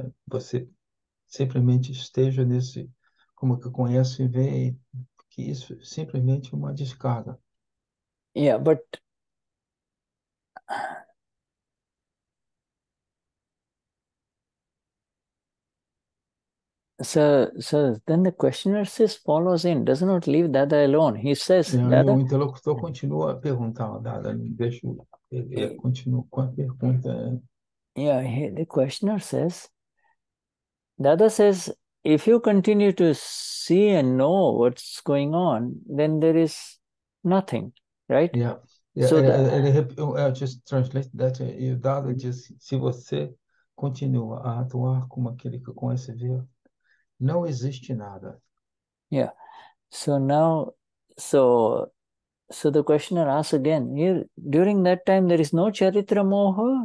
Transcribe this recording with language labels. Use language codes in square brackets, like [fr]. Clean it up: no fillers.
[pt] Você simplesmente esteja nesse, como que conhece e vê, que isso simplesmente é uma descarga. [en] Yeah, but so then the questioner says, follows in, does not leave Dada alone. He says, [pt] E o Dada, interlocutor continua a perguntar, Dada, deixa eu. Ele continua com a pergunta. [en] the questioner says, Dada says, if you continue to see and know what's going on, then there is nothing. Right? So that. I just translate that. [pt] E o Dada diz, se você continua a atuar como aquele que conhece ver, não existe nada. [en] Yeah. So now, so the questioner asks again, during that time, there is no charitra moha?